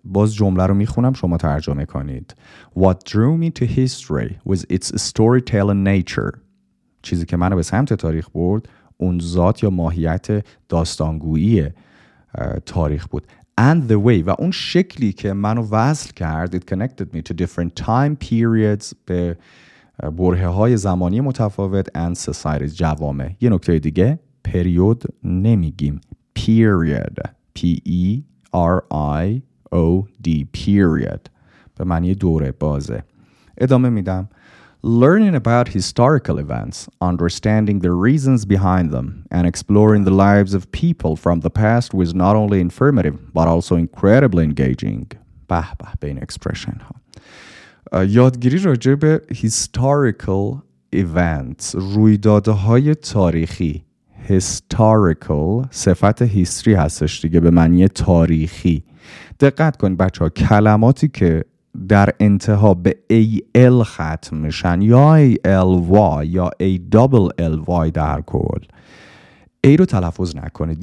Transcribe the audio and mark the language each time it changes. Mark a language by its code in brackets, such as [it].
[fa] باز جمله رو میخونم شما ترجمه کنید. [en] What drew me to history was its storytelling nature. [fa] چیزی که من رو به سمت تاریخ برد اون ذات یا ماهیت داستانگویی تاریخ بود. [en] And the way [fa] و اون شکلی که منو وصل کرد [en] it connected me to different time periods [fa] به برهه های زمانی متفاوت [en] and societies جوامع. [fa] یه نکته دیگه period نمیگیم period P-E-R-I-O-D period به معنی دوره بازه. ادامه میدم. [en] Learning about historical events, understanding the reasons behind them, and exploring the lives of people from the past was not only informative, but also incredibly engaging. [fa] به به به این اکسپرشن ها. یادگیری راجع به historical events، رویدادهای تاریخی. historical صفت history هستش دیگه، به معنی تاریخی. دقت کنید بچه ها، کلماتی که در انتها به AL ختم میشن یا ALY یا ALLY در کل، A رو تلفظ نکنید.